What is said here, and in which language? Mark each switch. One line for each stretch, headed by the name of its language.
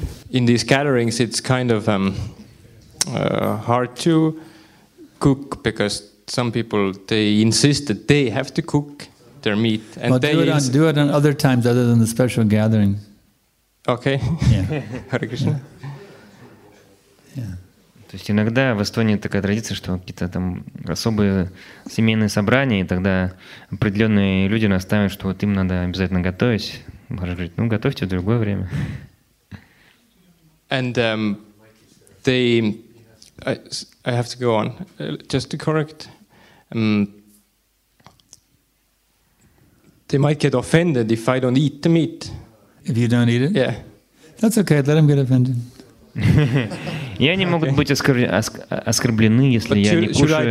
English: In these gatherings, it's kind of hard to cook because some people they insist that they have to cook their meat. And well, they do it on other times other than the special gatherings. Okay. Yeah. Hare Krishna. Yeah.
Russian: То есть иногда в Эстонии такая традиция, что какие-то там особые семейные собрания, и тогда определенные люди настаивают, что вот им надо обязательно готовить. Можно говорить, ну готовьте в другое время.
English: And I have to go on just to correct. They might get offended if I don't eat the meat. If you don't eat it? Yeah. That's okay. Let them get offended.
Russian: И они могут быть оскорблены, если я не кушаю.